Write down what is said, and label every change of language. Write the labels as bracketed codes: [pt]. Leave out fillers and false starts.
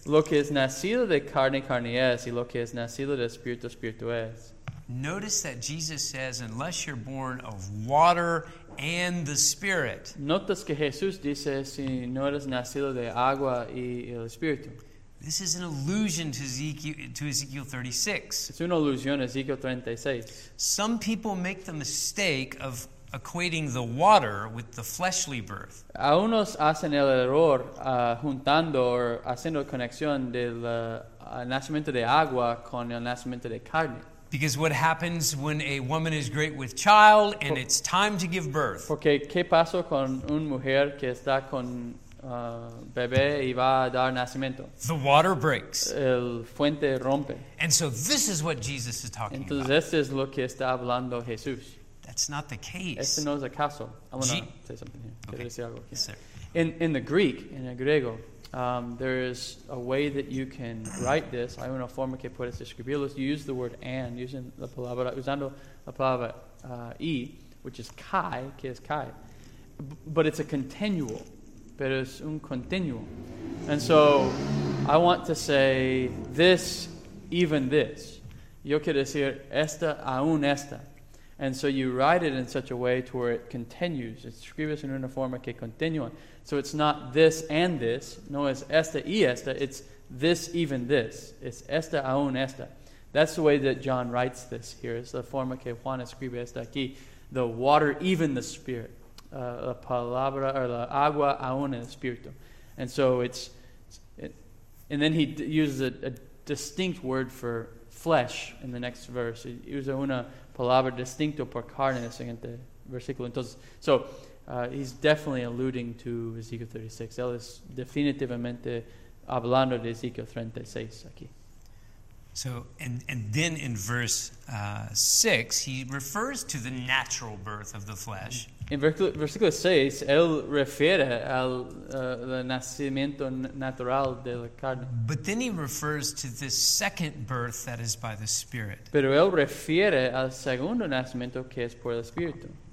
[es] Lo que es nacido de carne, carne es, y lo que es nacido de espíritu, espíritu es. [en] Notice that Jesus says, unless you're born of water and the Spirit. [es] Notas que Jesús dice, si no eres nacido de agua y el Espíritu. [en] This is an allusion to Ezekiel 36. [es] Es una alusión a Ezekiel 36. [en] Some people make the mistake of equating the water with the fleshly birth. [es] A unos hacen el error juntando o haciendo conexión del nacimiento de agua con el nacimiento de carne. [en] Because what happens when a woman is great with child and it's time to give birth? [es] Porque qué pasó con una mujer que está con bebé y va a dar nacimiento? [en] The water breaks. [es] El fuente rompe. [en] And so this is what Jesus is talking [es] Entonces, Entonces esto es lo que está hablando Jesús. [en] That's not the case. [es] Este no es el caso. [en] I want to say something here. Okay. [es] Quiero decir algo. [en] Yes, sir. In the Greek, [es] in el griego, [en] there is a way that you can write this. [es] Hay una forma que puedes escribirlo. [en] You use the word and, [es] usando la palabra y, [en] which is kai, [es] que es kai. [en] But it's a continual. [es] Pero es un continual. [en] And so I want to say this, even this. [es] Yo quiero decir esta, aún esta. [en] And so you write it in such a way to where it continues. [es] Escribes en una forma que continúa. [en] So it's not this and this. [es] No es esta y esta. [en] It's this even this. [es] It's esta aún esta. [en] That's the way that John writes this here. It's the [es] forma que Juan escribe esta aquí. [en] The water, even the Spirit. [es] La palabra, or la agua aún el Espíritu. [en] And so and then he uses a distinct word for flesh in the next verse. [es] Usa una palabra distinto por carne en el siguiente versículo. [en] Entonces, he's definitely alluding to Ezekiel 36. [es] Él es definitivamente hablando de Ezekiel 36 aquí. [en] So, and then in verse 6, he refers to the natural birth of the flesh. [es] En versículo 6, él refiere al nacimiento natural de la carne. [en] But then he refers to this second birth that is by the Spirit. [es] Pero él refiere al segundo nacimiento que es por el Espíritu.